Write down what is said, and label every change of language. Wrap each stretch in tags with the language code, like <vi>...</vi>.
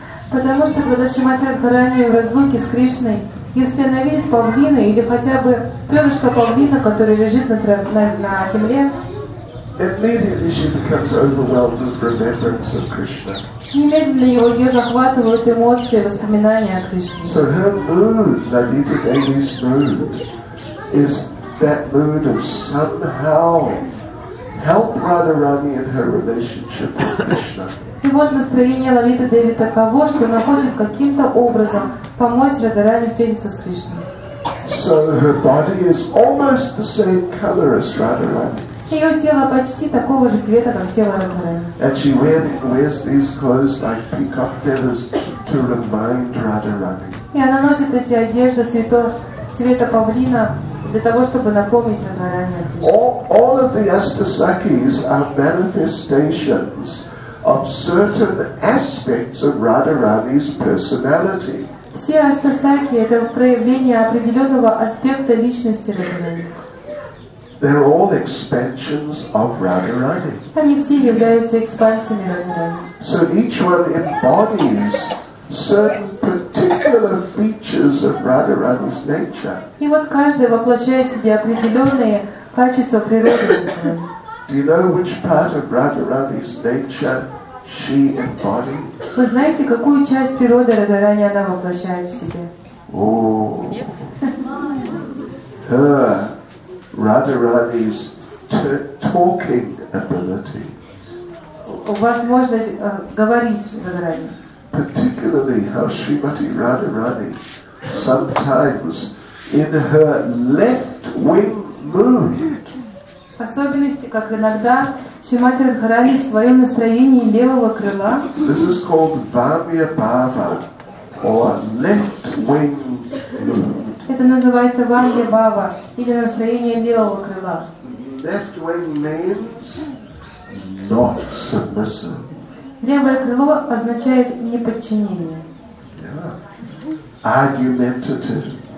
<ru>Потому что когда Шримати Радхарани в разлуке с Кришной, если она видит павлина или хотя бы перышко павлина, который лежит на земле, немедленно ее захватывают эмоции, воспоминания о Кришне.</ru> <en>So her mood, Lalita Devi's mood, is that mood of somehow help Radharani in her relationship with Krishna.</en> <ru>И вот настроение Лалиты Деви таково, что она хочет каким-то образом помочь Радхарани встретиться с Кришной.</ru> <en>So her body is almost the same color as Radharani.</en> <ru>Ее тело почти такого же цвета, как тело Радхарани.</ru> <en>And she wears these clothes like peacock feathers to remind Radharani.</en> <ru>И она носит эти одежды цвета павлина для того, чтобы напомнить Радхарани.</ru> <en>All of the astasakis are manifestations of certain aspects of Radharani's personality.</en> <ru>Все астасаки — это проявление определенного аспекта личности Радхарани.</ru> <en>They're all expansions of Radharani.</en> <ru>Они все являются экспансиями Радхарани.</ru> <en>So each one embodies certain particular features of Radharani's nature.</en> <ru>И вот каждый воплощает в себе определенные качества природы Радхарани.</ru> <en>Do you know which part of Radharani's nature she embodies?</en> <ru>Вы знаете, какую часть природы Радхарани она воплощает в себе?</ru> <en>Oh. Her. Radharani's talking ability.</en> <ru>У вас возможность говорить с Радхарани.</ru> <en>Particularly how Srimati Radharani sometimes in her left wing mood.</en> <ru>Особенности, как иногда Шримати Радхарани в своем настроении левого крыла.</ru> <en>This is called Vamya Bhava or left wing mood.</en> <ru>Это называется Ванги Бава или настроение левого крыла.</ru> <en>Left wing means not submissive.</en> <ru>Левое крыло означает неподчинение.</ru> <en>Yeah. Argumentative.</en>